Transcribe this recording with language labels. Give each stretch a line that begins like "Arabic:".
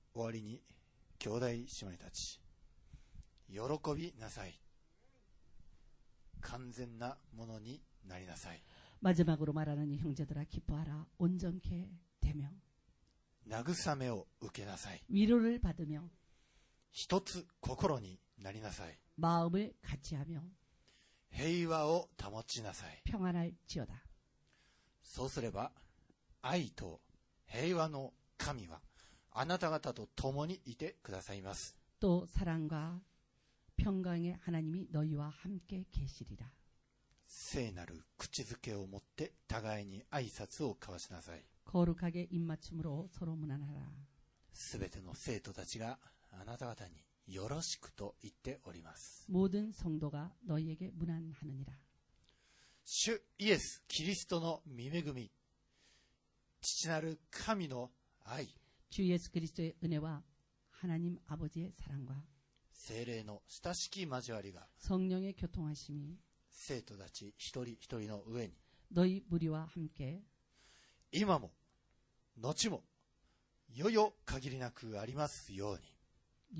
Japanese: りに兄弟姉妹たち喜びなさい。完全なものになりなさい。
Korean: 마지막으로말하는이형제들아기뻐하라온전케되며
Japanese: 慰めを受けなさい
Korean: 위로를받으며
Japanese: 一つ心になりなさい
Korean: 마음을같이하며
Japanese: 平和を保ちなさい
Korean: 평안할지어다
Japanese: そうすれば愛と平和の神はあなた方と共にいてくださいます
Korean: 또사랑과평강의하나님이너희와함께계시리라
Japanese: 聖なる口づけを持って互いに挨拶を交わしなさい
Korean: 거룩하게입맞춤으로서로무난하라
Japanese: すべての生徒たちがあなた方によろしくと言っております
Korean: 모든성도가너희에게무난하느니라
Japanese: 主イエスキリストの御恵み父なる神の愛
Korean: 주예수그리스도의은혜와하나님아버지의사랑과
Japanese: 聖霊の親しき交わりが
Korean: 성령의교통하심이
Japanese: 生徒たち一人一人の上に
Korean: 너희무리와함께
Japanese: 今も後もよよ限りなくありますように